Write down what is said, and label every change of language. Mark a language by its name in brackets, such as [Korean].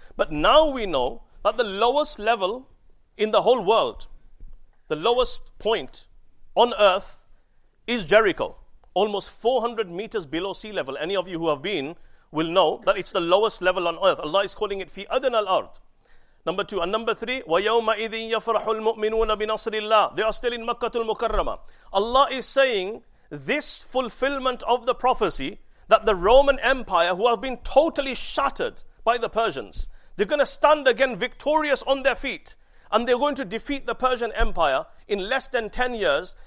[English] But now we know that the lowest level in the whole world, the lowest point on earth, is Jericho. Almost 400 meters below sea level. Any of you who have been will know that it's the lowest level on earth. Allah is calling it fi adn al-ard. Number 2, and number 3, [Arabic] وَيَوْمَ إِذٍ يَفْرَحُ الْمُؤْمِنُونَ بِنَصْرِ اللَّهِ. [English] They are still in Makkah al-Mukarramah. Allah is saying, this fulfillment of the prophecy that the Roman Empire, who have been totally shattered by the Persians, they're going to stand again victorious on their feet, and they're going to defeat the Persian Empire in less than 10 years.